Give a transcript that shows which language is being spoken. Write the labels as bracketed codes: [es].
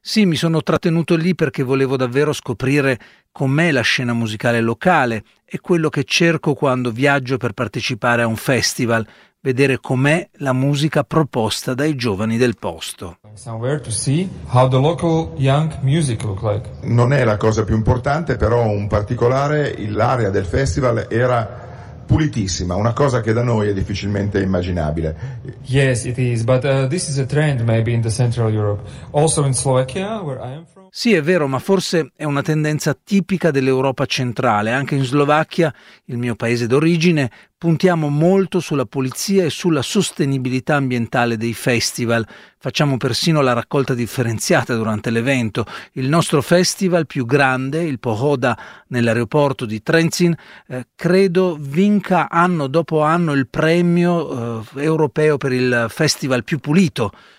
[it] Sì, mi sono trattenuto lì perché volevo davvero scoprire com'è la scena musicale locale. È quello che cerco quando viaggio per partecipare a un festival, vedere com'è la musica proposta dai giovani del posto. [en] To see how the local young music look like. [it] Non è la cosa più importante, però un particolare, l'area del festival era pulitissima, una cosa che da noi è difficilmente immaginabile. [en] Yes, it is, but this is a trend maybe in the Central Europe, also in Slovakia where I am from. [it] Sì, è vero, ma forse è una tendenza tipica dell'Europa centrale. Anche in Slovacchia, il mio paese d'origine, puntiamo molto sulla pulizia e sulla sostenibilità ambientale dei festival. Facciamo persino la raccolta differenziata durante l'evento. Il nostro festival più grande, il Pohoda, nell'aeroporto di Trenčín, credo vinca anno dopo anno il premio europeo per il festival più pulito.